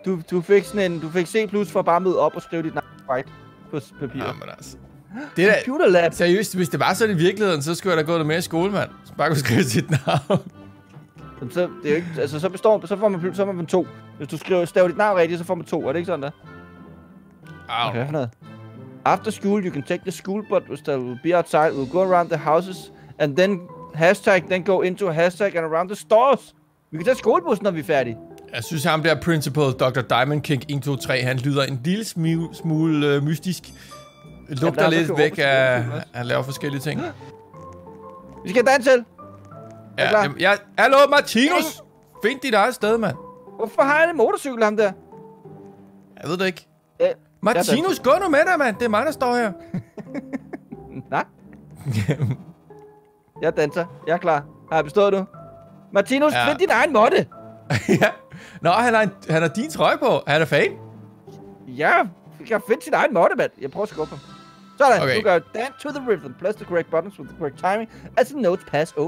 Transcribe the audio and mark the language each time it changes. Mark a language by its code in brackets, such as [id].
[da] Du fik sådan en, du fik C+ for at bare møde op og skrive dit navn right på papir. Jamen altså. Det er computer lab. Seriøst, hvis det var sådan i virkeligheden, så skulle jeg da gå der med i skole, mand. Så bare kunne skrive sit navn. Så det er ikke, altså så består, så får man plus, så får man 2. Hvis du skriver stav dit navn rigtigt, så får man 2. Er det ikke sådan der? Okay, noget. [en] After school you can take the school bus, but there will be outside. We'll go around the houses and then then go into # and around the stores. [da] Vi kan tage skolebussen, når vi er færdige. Jeg synes, ham der principal, Dr. Diamond King 123, han lyder en lille smule mystisk. Lugter lidt væk af, han laver forskellige ting. Vi skal danse til. Hallo, Martinus! Find dit eget sted, mand. Hvorfor har han en motorcykel, ham der? Jeg ved det ikke. Martinus, gå nu med dig, mand. Det er mig, der står her. Nej. Jeg danser. Jeg er klar. Har jeg bestået nu? Martinus, find din egen måtte. Nå, han har din trøje på. Han er fan. Ja, jeg kan finde sin egen måtte, mand. Jeg prøver at skubbe ham. Sådan, okay. Du gør [en] dance to the rhythm. Press the correct buttons with the correct timing as the notes pass over